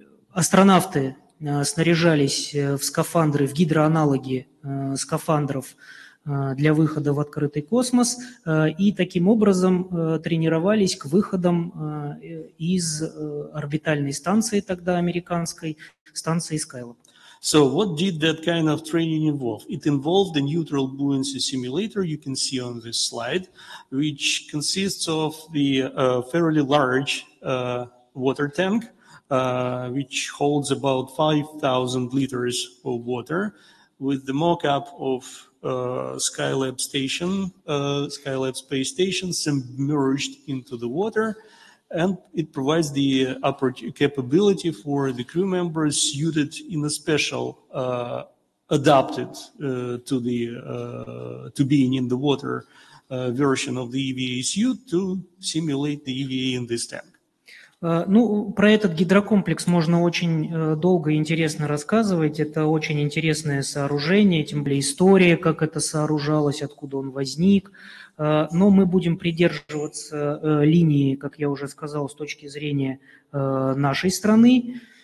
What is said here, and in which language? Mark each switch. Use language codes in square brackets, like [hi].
[ru] астронавты снаряжались в скафандры, в гидроаналоги скафандров для выхода в открытый космос, и таким образом тренировались к выходам из орбитальной станции, тогда американской станции Skylab. [en] So what did that kind of training involve? It involved a neutral buoyancy simulator, you can see on this slide, which consists of the fairly large water tank, which holds about 5,000 liters of water, with the mock-up of Skylab station, Skylab space station submerged into the water. And it provides the capability for the crew members suited in a special, adapted to the to being in the water version of the EVA suit to simulate the EVA in this tank. [ru] Ну, про этот гидрокомплекс можно очень долго и интересно рассказывать. Это очень интересное сооружение, тем более история, как это сооружалось, откуда он возник. Но мы будем придерживаться линии, как я уже сказал, с точки зрения нашей страны.